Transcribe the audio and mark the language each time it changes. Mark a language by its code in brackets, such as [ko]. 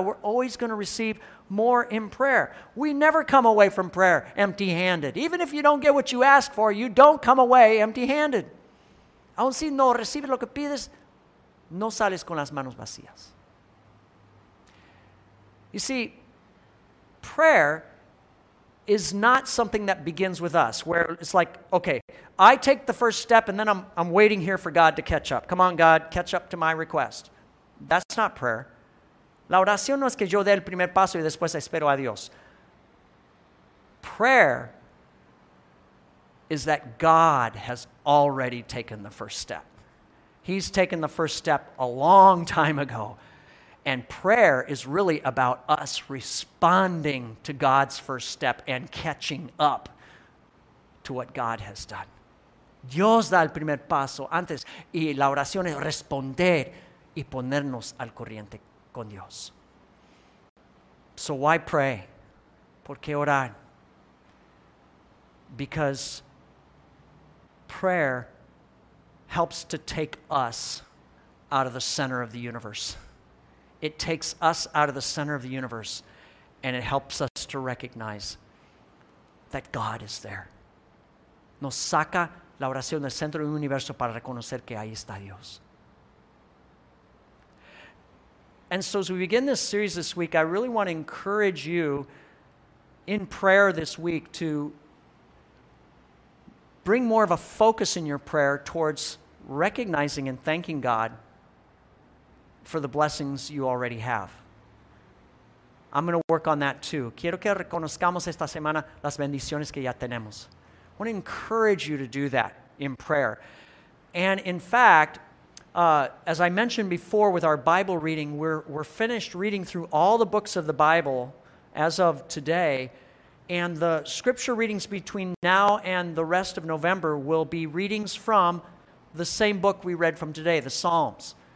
[en] We're always going to receive more in prayer. We never come away from prayer empty-handed. Even if you don't get what you ask for, you don't come away empty-handed. [es] Aun si no recibes lo que pides, no sales con las manos vacías. [en] You see, prayer is not something that begins with us, where it's like, okay, I take the first step and then I'm waiting here for God to catch up. Come on, God, catch up to my request. That's not prayer. [es] La oración no es que yo dé el primer paso y después espero a Dios. [en] Prayer is that God has already taken the first step. He's taken the first step a long time ago. And prayer is really about us responding to God's first step and catching up to what God has done. [es] Dios da el primer paso antes, y la oración es responder y ponernos al corriente con Dios. [en] So why pray? [es] ¿Por qué orar? [en] Because prayer helps to take us out of the center of the universe. It takes us out of the center of the universe, and it helps us to recognize that God is there. [es] Nos saca la oración del centro del universo para reconocer que ahí está Dios. [en] And so as we begin this series this week, I really want to encourage you in prayer this week to bring more of a focus in your prayer towards recognizing and thanking God for the blessings you already have. I'm going to work on that too. [es] Quiero que reconozcamos esta semana las bendiciones que ya tenemos. [en] I want to encourage you to do that in prayer. And in fact, as I mentioned before with our Bible reading, we're finished reading through all the books of the Bible as of today. And the scripture readings between now and the rest of November will be readings from the same book we read from today, the Psalms.